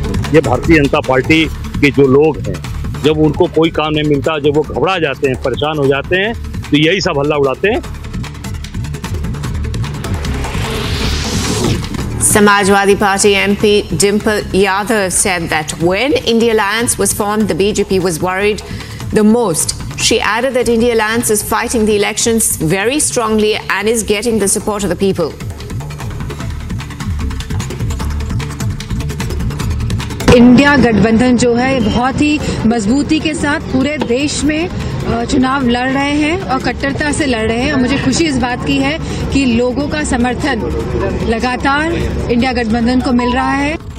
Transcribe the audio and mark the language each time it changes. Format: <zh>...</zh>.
<hi>ये भारतीय जनता पार्टी के जो लोग हैं, जब उनको कोई काम नहीं मिलता, जब वो घबरा जाते हैं, परेशान हो जाते हैं, तो यही सब हल्ला उड़ाते हैं।</hi> <en>Samajwadi Party MP Dimple Yadav said that when India Alliance was formed, the BJP was worried the most. She added that India Alliance is fighting the elections very strongly and is getting the support of the people.</en> <hi>India गठबंधन जो है बहुत ही मजबूती के साथ पूरे देश में चुनाव लड़ रहे हैं और कट्टरता से लड़ रहे हैं और मुझे खुशी इस बात की है कि लोगों का समर्थन लगातार इंडिया गठबंधन को मिल रहा है।</hi>